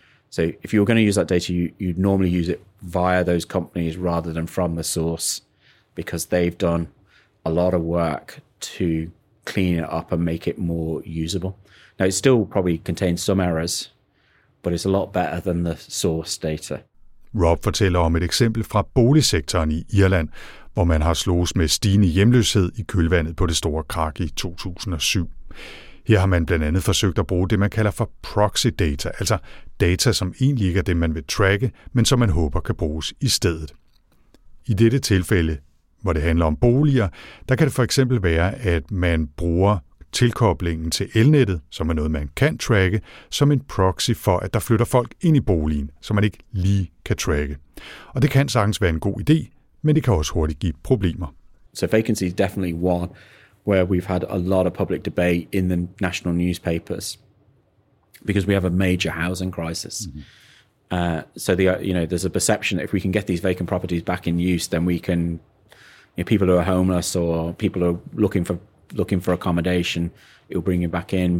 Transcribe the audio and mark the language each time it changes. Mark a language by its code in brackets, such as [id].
[en] So if you're going to use that data, you'd normally use it via those companies rather than from the source, because they've done a lot of work to clean it up and make it more usable. Now, it still probably contains some errors, but it's a lot better than the source data. [da] Rob fortæller om et eksempel fra boligsektoren i Irland, hvor man har slået med stigende hjemløshed i kølvandet på det store krak i 2007. Her har man blandt andet forsøgt at bruge det, man kalder for proxy data, altså data, som egentlig ikke er det, man vil tracke, men som man håber kan bruges i stedet. I dette tilfælde, hvor det handler om boliger, der kan det for eksempel være, at man bruger tilkoblingen til elnettet, som er noget, man kan tracke, som en proxy for, at der flytter folk ind i boligen, som man ikke lige kan tracke. Og det kan sagtens være en god idé, men det kan også hurtigt give problemer. [en] So vacancy is definitely one where we've had a lot of public debate in the national newspapers, because we have a major housing crisis. Mm-hmm. So there's a perception that if we can get these vacant properties back in use, then we can, people who are homeless or people who are looking for accommodation, it will bring you back in.